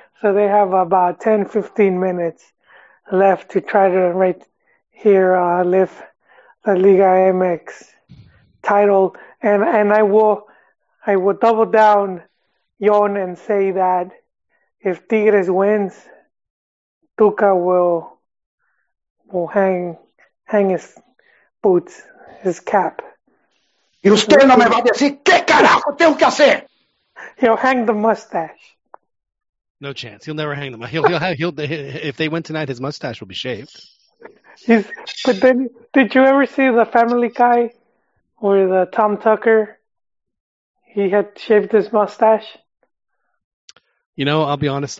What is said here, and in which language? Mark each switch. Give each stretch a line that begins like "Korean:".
English: So they have about 10, 15 minutes left to try to lift the LigaMX title. And I will double down, Yon, and say that if Tigres wins, Tuca will hang his boots, his cap.
Spanish: Y usted no me va a decir qué carajo tengo que hacer.
English: He'll hang the mustache. No chance. He'll never hang them. He'll if they win tonight, his mustache will be shaved. But then, did you ever see the Family Guy where the Tom Tucker, he had shaved his mustache? You know, I'll be honest.